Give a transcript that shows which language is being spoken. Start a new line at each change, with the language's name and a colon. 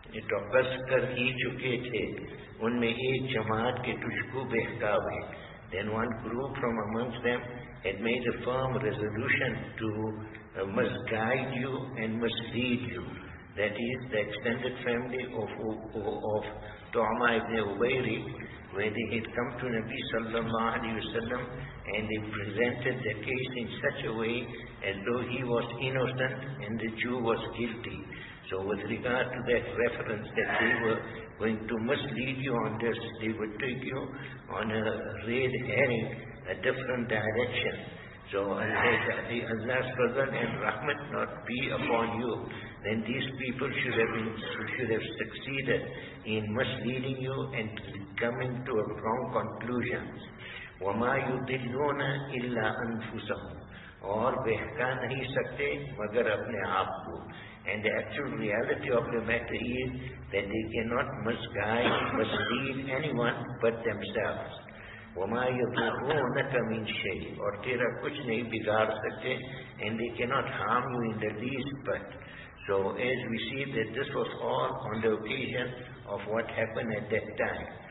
Urdu: تَقَسْ کر ہی چکے تھے ان میں ایک جماعت کے تجھ کو بہکاوے.
English: Then one group from amongst them had made a firm resolution to must guide you and must lead you. That is the extended family of Tawma ibn Ubayrik, where they had come to Nabi sallallahu alayhi wa sallam and they presented the case in such a way as though he was innocent and the Jew was guilty. So with regard to that reference that they were going to mislead you on this, they would take you on a red herring, a different direction. So Allah's fadl and rahmat not be upon you, then these people should have succeeded in misleading you and coming to a wrong conclusion.
Arabic: وَمَا يُضِلُّونَ إِلَّا أَنفُسَهُمْ
Urdu: اور بہکا نہیں سکتے مگر اپنے آپ کو.
English: And the actual reality of the matter is that they cannot misguide, mislead anyone but themselves.
Arabic: وَمَا يَضُرُّونَكَ مِنْ شَيْءٍ
Urdu: اور تیرا کچھ نہیں بگاڑ سکتے.
English: And they cannot harm you in the least but. So as we see that this was all on the occasion of what happened at that time.